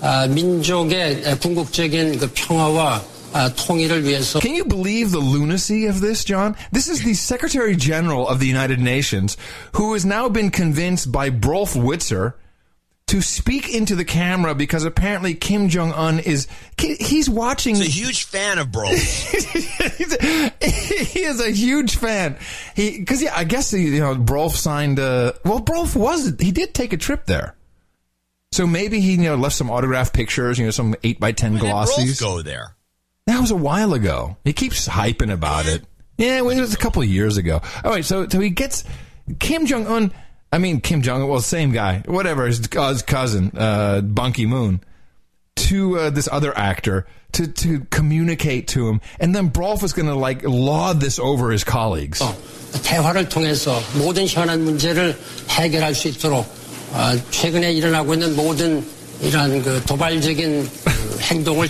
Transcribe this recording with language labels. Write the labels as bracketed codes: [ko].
[ko] 민족의 궁극적인 그 평화와 통일을 위해서. [en] Can you believe the lunacy of this, John? This is the Secretary General of the United Nations who has now been convinced by Brolf Witzer to speak into the camera because apparently Kim Jong-un is... He's watching... He's a huge fan of Brolf. He is a huge fan. Because, yeah, I guess, you know, Brolf signed... Brolf was... He did take a trip there. So maybe he, you know, left some autograph pictures, you know, some 8x10 glossies. Did Brolf go there? That was a while ago. He keeps hyping about it. Yeah, it was a couple of years ago. All right, so he gets Kim Jong-un. I mean, Kim Jong-un, well, same guy, whatever, his cousin, Ban Ki-moon, to this other actor to communicate to him. And then Brolf is going to, like, laud this over his colleagues. [ko] 대화를 통해서 모든 현안 문제를 해결할 수 있도록. 최근에 일어나고 있는 모든 이런 그 도발적인 행동을